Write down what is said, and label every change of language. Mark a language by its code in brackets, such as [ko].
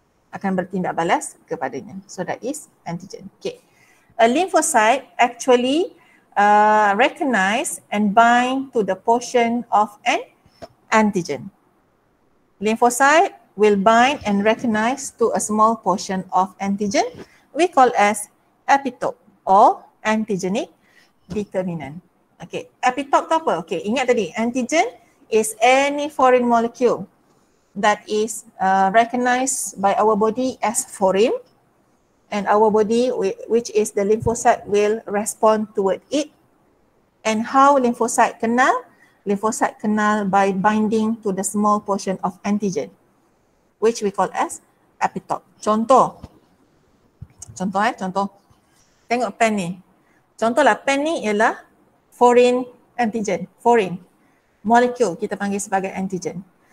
[ms] Akan bertindak balas kepadanya. [en] So that is antigen. Okay. A lymphocyte actually recognize and bind to the portion of an antigen. Lymphocyte will bind and recognize to a small portion of antigen. We call as epitope or antigenic determinant. Okay. [ms] Epitope tu apa? [en] Okay. Ingat tadi antigen is any foreign molecule that is recognized by our body as foreign, and our body, which is the lymphocyte, will respond toward it. And how lymphocyte kenal? Lymphocyte kenal by binding to the small portion of antigen, which we call as epitope. [ms] Contoh. Tengok pen ni. Contohlah pen ni ialah [en] foreign antigen, foreign molecule [ms] kita panggil sebagai antigen.